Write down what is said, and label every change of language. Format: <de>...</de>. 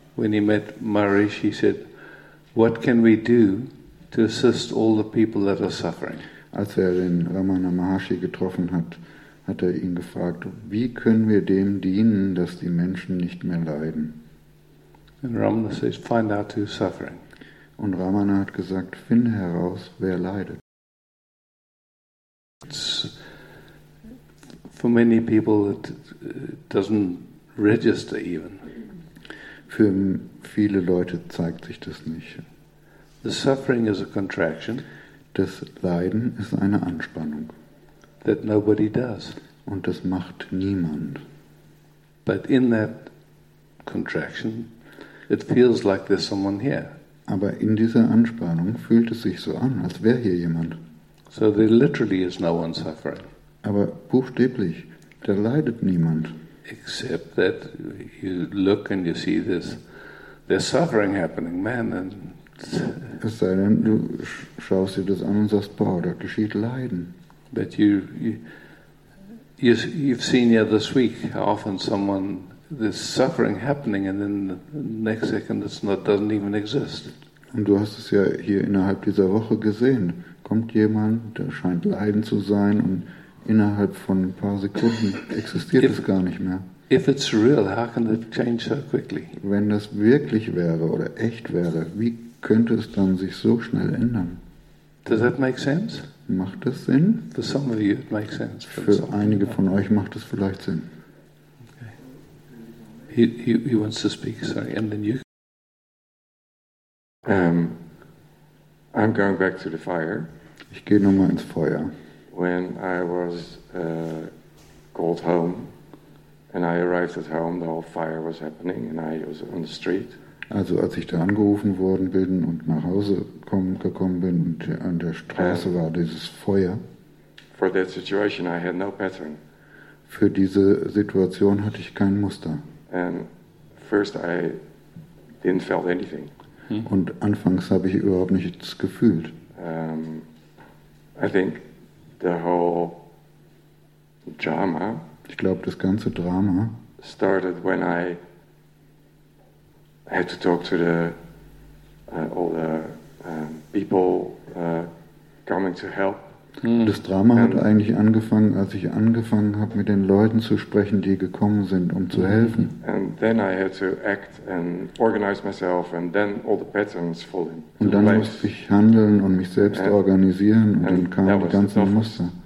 <en>When he met Maharishi, he said, "What can we do to assist all the people that are suffering.</en> <de>Als er den Ramana Maharshi getroffen hat, hat er ihn gefragt, wie können wir dem dienen, dass die Menschen nicht mehr leiden?</de> <en>And Ramana says, find out who's suffering.</en> <de>Und Ramana hat gesagt, finde heraus, wer leidet.</de> <en>It's for many people it doesn't register even.</en> <de>Für viele Leute zeigt sich das nicht.</de> <en>The suffering is a contraction.</en> <de>Das Leiden ist eine Anspannung.</de> <en>That nobody does.</en> <de>Und das macht niemand.</de> <en>But in that contraction, it feels like there's someone here.</en> <de>Aber in dieser Anspannung fühlt es sich so an, als wäre hier jemand.</de> <en>So there literally is no one suffering.</en> <de>Aber buchstäblich, da leidet niemand.</de> <en>Except that you look and you see there's suffering happening, man. And</en> <de>es sei denn, du schaust dir das an und sagst, boah, da geschieht Leiden.</de> <en>But you've seen ja this week how often someone there's suffering happening and then the next second it's not doesn't even exist.</en> <de>Und du hast es ja hier innerhalb dieser Woche gesehen. Kommt jemand, der scheint Leiden zu sein und innerhalb von ein paar Sekunden existiert es gar nicht mehr.</de> <en>If it's real, how can it change so quickly?</en> <de>Wenn das wirklich wäre oder echt wäre, wie könnte es dann sich so schnell ändern?</de> <en>Does that make sense?</en> <de>Macht das Sinn?</de> <en>For some of you it makes sense.</en> <de>Für einige von euch macht es vielleicht Sinn.</de> <en>Okay. He wants to speak, sorry, and then you. I'm going back to the fire.</en> <de>Ich gehe nochmal ins Feuer.</de> <en>When I was called home and I arrived at home, the whole fire was happening and I was on the street.</en> <de>Also als ich da angerufen worden bin und nach Hause gekommen bin und an der Straße war dieses Feuer.</de> <en>For that situation I had no pattern.</en> <de>Für diese Situation hatte ich kein Muster.</de> <en>And first I didn't felt anything.</en> <de>Und anfangs habe ich überhaupt nichts gefühlt.</de> <en>I think the whole drama.</en> <de>Ich glaube, das ganze Drama</de> <en>started when I had to talk to the all the people coming to help.</en> <de>Das Drama hat eigentlich angefangen, als ich angefangen habe, mit den Leuten zu sprechen, die gekommen sind, um zu helfen.</de> <en>And then I had to act and organize myself, and then all the patterns fall into place.</en> <de>Und dann musste ich handeln und mich selbst organisieren, und dann kamen die ganzen Muster.</de>